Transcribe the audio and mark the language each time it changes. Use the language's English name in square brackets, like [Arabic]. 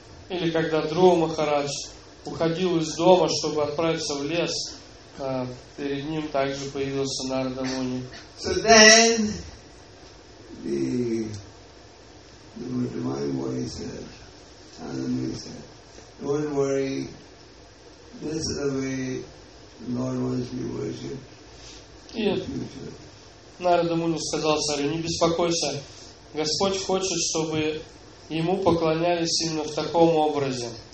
[Russian] Или когда Друва Махарадж уходил из дома, чтобы отправиться в лес, перед ним также появился Нарада Муни. [English] So then the Divine Voice said, Nanda Muni said, don't worry, this is the way the Lord wants to be worshipped. [Russian] И Нарада Муни сказал царю, не беспокойся, Господь хочет, чтобы ему поклонялись именно в таком образе.